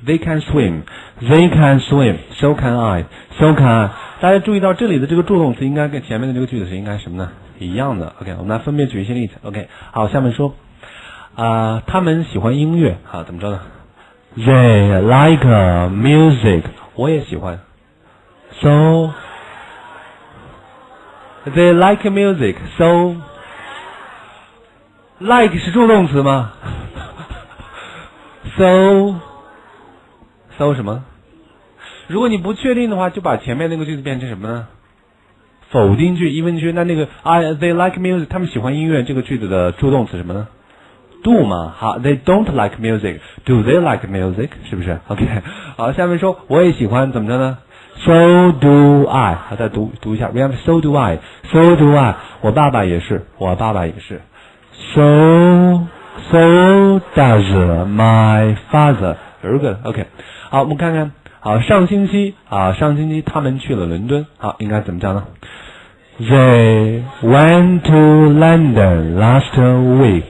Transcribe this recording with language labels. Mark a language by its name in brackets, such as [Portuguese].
[English] They can swim, they can swim, so can I, so can I。 [Chinese] 大家注意到这里的这个助动词应该跟前面的这个句子是应该什么呢？一样的。 OK， 我们来分别举一些例子。OK， 好，下面说他们喜欢音乐。好，怎么着呢？ [English] They like music。 [Chinese] 我也喜欢。 [English] So They like music, so like [Chinese] 是助动词吗？ So 什么？如果你不确定的话，就把前面那个句子变成什么呢？否定句、疑问句。那那个 [English] they like music， [Chinese] 他们喜欢音乐，这个句子的助动词什么呢？ Do 嘛。 [English] 好， they don't like music， do they like music？ [Chinese] 是不是？ OK， 好，下面说我也喜欢，怎么着呢？ [English] So do I。 [Chinese] 好，再 读一下。 [English] Remember， so do I， so do I， [Chinese] 我爸爸也是，我爸爸也是。 [English] So does my father。 Very good。 [Chinese] OK， 好，我们看看。好，上星期他们去了伦敦。好，应该怎么讲呢？ [English] They went to London last week。